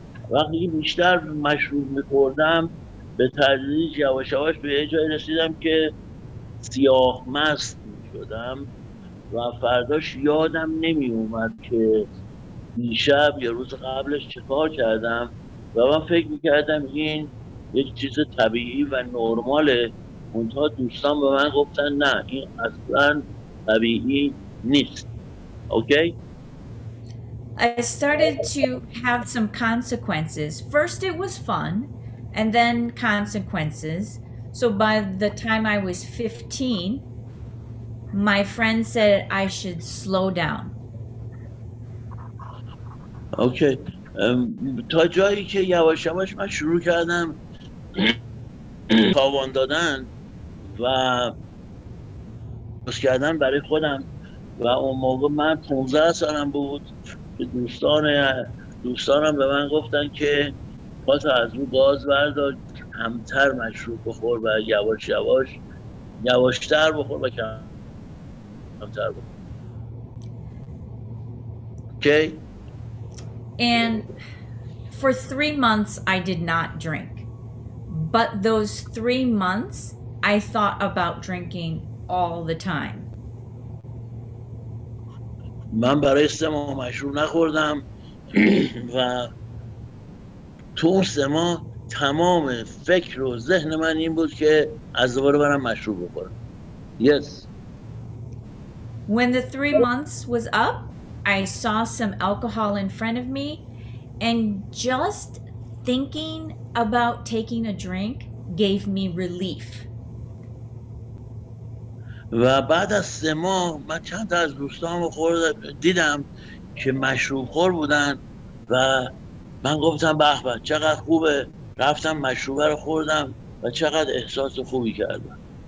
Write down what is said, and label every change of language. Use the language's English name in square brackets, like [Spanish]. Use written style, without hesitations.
[Persian] وقتی بیشتر مشروب می‌خوردم به تدریج یواش یواش به یه جایی رسیدم که سیاه مست می‌شدم و فرداش یادم نمی‌اومد که دیشب یا روز قبلش چه کار کردم و من فکر می‌کردم این یک چیز طبیعی و نرماله. اونتا دوستان به من گفتن نه، این اصلا طبیعی نیست. اوکی؟ [English] I started to have some consequences. First, it was fun, and then consequences. So by the time I was 15, my friend said I should slow down. Okay. [Persian] تا جایی که یواش یواش من شروع کردم تاوان دادن و درست کردن برای خودم و اون موقع من 15 سالم بود که دوستانم به من گفتن که پاس از رو گاز بردار کمتر مشروب بخور و یواش یواش یواشتر بخور و کمتر بخور اوکی؟ [English] And for 3 months, I did not drink. But those 3 months, I thought about drinking all the time. [Persian] من برای سه ماه مشروب نخوردم و تو سه ماه تمام فکر و ذهن من این بود که از دوباره برم مشروب بخورم. [English] Yes. When the 3 months was up, I saw some alcohol in front of me, and just thinking about taking a drink gave me relief. [Persian] و بعد از سه ماه من چند تا از دوستام دیدم که مشروب خور بودن و من گفتم به به چقدر خوبه رفتم مشروب رو خوردم و چقدر احساس خوبی کردم.